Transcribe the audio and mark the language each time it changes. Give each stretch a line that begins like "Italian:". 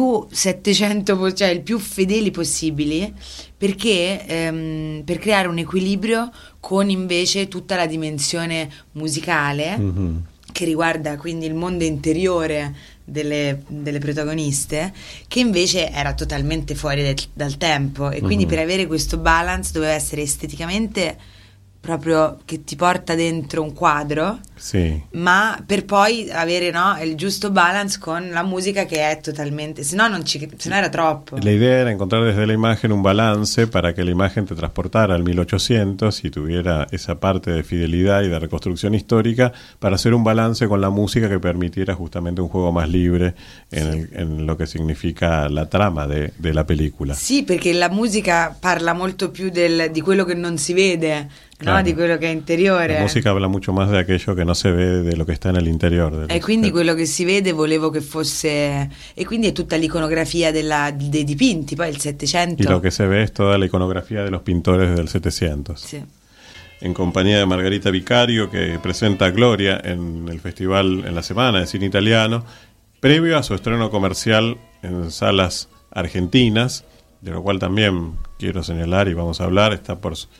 Italian: 700, cioè il più fedeli possibili, perché per creare un equilibrio con invece tutta la dimensione musicale che riguarda quindi il mondo interiore delle protagoniste, che invece era totalmente fuori dal tempo, e quindi per avere questo balance doveva essere esteticamente proprio che ti porta dentro un quadro, sì, ma per poi avere, no, il giusto balance con la musica, che è totalmente, se no era troppo.
Spanish: L'idea era encontrar desde la imagen un balance para que la imagen te transportara al 1800 y tuviera esa parte de fidelidad y de reconstrucción histórica, para hacer un balance con la música que permitiera justamente un juego más libre en lo que significa la trama de la película. Sí, porque la música
Italian: parla molto più di quello che non si vede. Claro. No, di quello che è interiore.
Spanish: La musica habla mucho más de aquello que no se ve, de lo que está en el interior.
Italian: E quindi quello che si vede volevo che fosse... E quindi è tutta l'iconografia dei dipinti, poi il Settecento.
Spanish: Y lo que se ve es toda la iconografía de los pintores del 700. Sí. En compañía de Margarita Vicario, que presenta Gloria en el festival, en la semana de cine italiano, previo a su estreno comercial en salas argentinas, de lo cual también quiero señalar y vamos a hablar, está por